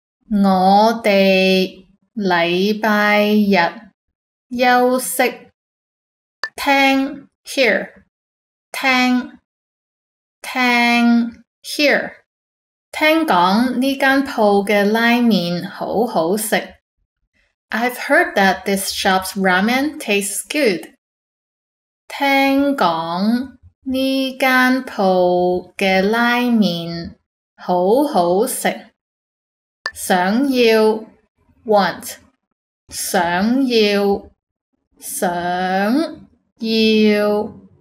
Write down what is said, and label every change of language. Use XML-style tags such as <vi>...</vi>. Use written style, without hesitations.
<yue>我哋禮拜日休息。聽 here, 聽 聽 here。聽講呢間鋪嘅拉麵好好食。</yue> <en>I've heard that this shop's ramen tastes good.</en> <yue>聽講呢間鋪嘅拉麵好好食。想要</yue> <en>want,</en> <yue>想要想要</yue>